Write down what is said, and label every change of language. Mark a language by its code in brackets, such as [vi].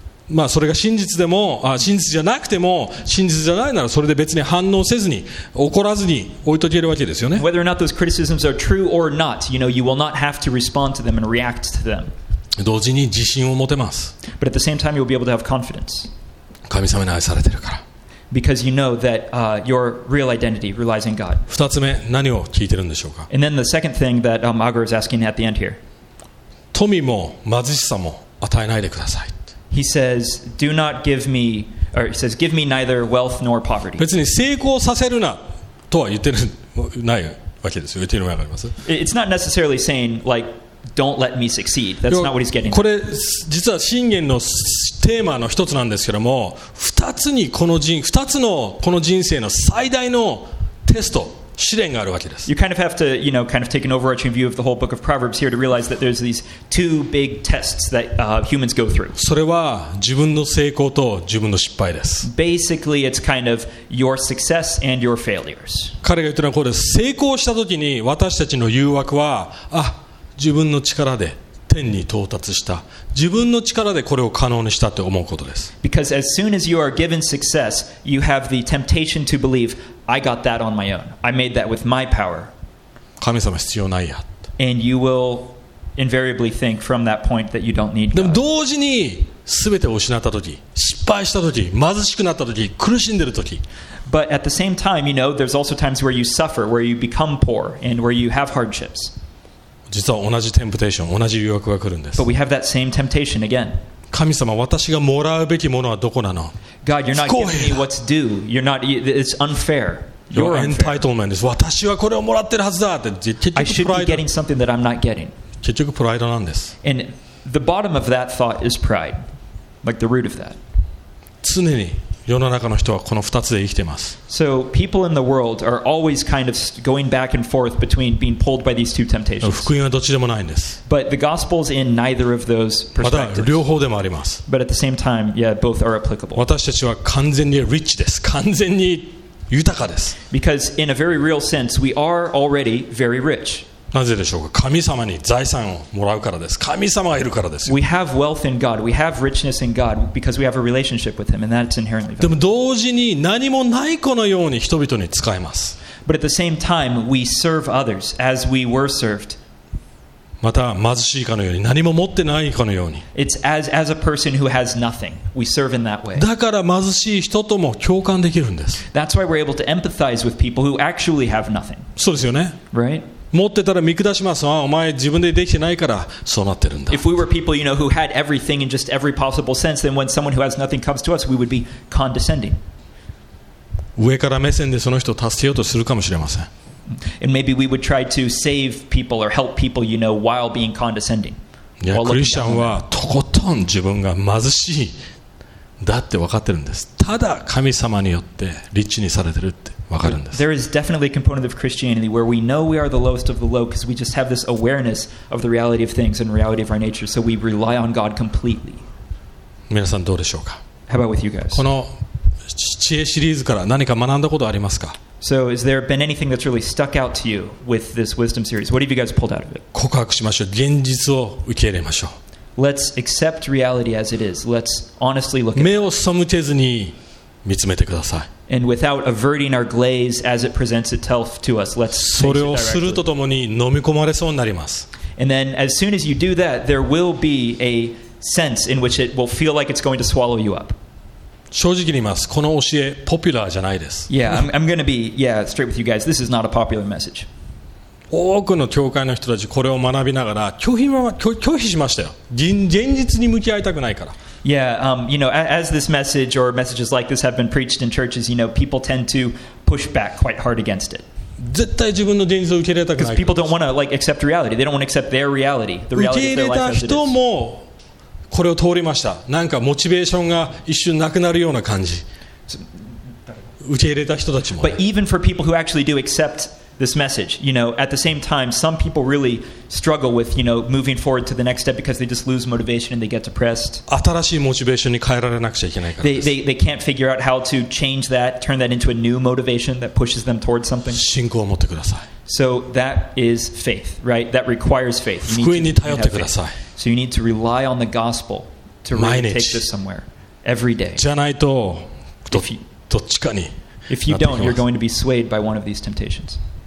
[ja] まあ、それが真実でも、真実じゃなくても、真実じゃないならそれで別に反応せずに、怒らずに置いとけるわけですよね。 [en] Whether or not those criticisms are true or not, you know, you will not have to respond to them and react to them. [ja] 同時に自信を持てます。 [en] But at the same time, you'll be able to have confidence. [ja] 神様に愛されてるから。 [en] Because you know that your real identity relies in God. [ja] 二つ目、何を聞いてるんでしょうか。 [en] And then the second thing that Agur is asking at the end here. [ja] 富も貧しさも与えないでください。 [en] He says, "Do not give me," or he says, "Give me neither wealth nor poverty." [ja] 別に成功させるなとは言ってない。わけですよ。言ってるのわかります。 [en] It's not necessarily saying like don't let me succeed. That's not what he's getting. [ja] これ実は箴言のテーマの一つなんですけども、二つにこの人、二つのこの人生の最大のテスト。試練があるわけです。 [en] You kind of have to, you know, kind of take an overarching view of the whole book of Proverbs here to realize that there's these two big tests that humans go through. [ja] それは自分の成功と自分の失敗です。 [en] Basically, it's kind of your success and your failures. [ja] 彼が言ってるのはこうです。成功したときに私たちの誘惑は、あ、自分の力で天に到達した。自分の力でこれを可能にしたって思うことです。 [en] Because as soon as you are given success, you have the temptation to believe,I got that on my own. I made that with my power. [ja] 神様必要ないや。 [en] And you will invariably think from that point that you don't need God. [ja] でも同時に全てを失った時、失敗した時、貧しくなった時、苦しんでる時。 [en] But at the same time, you know, there's also times where you suffer, where you become poor, and where you have hardships. [ja] 実は同じテンプテーション、同じ誘惑が来るんです。 [en] But we have that same temptation again. [ja] 神様、私がもらうべきものはどこなの？ [en] God, you're not giving me what's due. You're not. It's unfair. Your entitlement is. [ja] 私はこれをもらってるはずだって。結局プライド。 [en] I should be getting something that I'm not getting. [ja] 結局プライドなんです。 [en] And the bottom of that thought is pride, like the root of that. [ja] 常に世の中の人はこの二つで生きてます。 [en] So people in the world are always kind of going back and forth between being pulled by these two temptations. [ja] 福音はどっちでもないんです。 [en] But the gospel's in neither of those perspectives. [ja] また両方でもあります。 [en] But at the same time, yeah, both are applicable. [ja] 私たちは完全にリッチです。完全に豊かです。 [en] Because in a very real sense, we are already very rich. [ja] なぜでしょうか。神様に財産をもらうからです。神様がいるからですよ。 [en] We have wealth in God. We have richness in God because we have a relationship with Him, and that's inherently. [ja] でも同時に何もないかのように人々に使います。 [en] But at the same time, we serve others as we were served. [ja] また貧しいかのように何も持ってないかのように。 [en] It's as a person who has nothing. We serve in that way. [ja] だから貧しい人とも共感できるんです。 [en] That's why we're able to empathize with people who actually have nothing. [ja] そうですよね。 [en] Right. [ja] 持ってたら見下します。ああ、お前自分でできてないからそうなってるんだ。 [en] If we were people, you know, who had everything in just every possible sense, then when someone who has nothing comes to us, we would be condescending. [ja] 上から目線でその人を助けようとするかもしれません。 [en] And maybe we would try to save people or help people, you know, while being condescending. [ja] いや、クリスチャンはとことん自分が貧しいだって分かってるんです。ただ神様によってリッチにされてるって。 [en] There is definitely a component of Christianity where we know we are the lowest of the low because we just have this awareness of the reality of things and reality of our nature, so we rely on God completely. [ja] 皆さんどうでしょうか? [en] How about with you guys? [ja] この知恵シリーズから何か学んだことありますか? [en] So, has there been anything that's really stuck out to you with this wisdom series? What have you guys pulled out of it? [ja] 告白しましょう。現実を受け入れましょう。 [en] Let's accept reality as it is. Let's honestly look at [ja] it. 目を背けずに見つめてください。 [en] And without averting our glaze as it presents itself to us, let's face it [ja] それをするとともに飲み込まれそうになります。 [en] And then, as soon as you do that, there will be a sense in which it will feel like it's going to swallow you up. [ja] 正直に言います。この教え、ポピュラーじゃないです。 [en] Yeah, I'm going to be straight with you guys. This is not a popular message. [ja] 多くの教会の人たちこれを学びながら拒否しましたよ。現実に向き合いたくないから。 [en] Yeah, you know, as this message or messages like this have been preached in churches, you know, people tend to push back quite hard against it. [ja] 絶対自分の現実を受け入れたくない。 [en] Because people don't want to like accept reality. They don't want to accept their reality, the reality of their life as it is. [ja] 受け入れた人もこれを通りました。なんかモチベーションが一瞬なくなるような感じ。受け入れた人たちも。 [en] But even for people who actually do accept this message, you know, at the same time, some people really struggle with, you know, moving forward to the next step because they just lose motivation and they get depressed. [ja] 新しいモチベーションに変えられなくちゃいけないからです。 [en] They can't figure out how to change that, turn that into a new motivation that pushes them towards something. [ja] 信仰を持ってください。 [en] So that is faith, right? That requires faith. [ja] 福音に頼ってください。 [en] So you need to rely on the gospel to really take this somewhere every day. [ja] じゃないと、どっちかに。 [en] If you don't, you're going to be swayed by one of these temptations.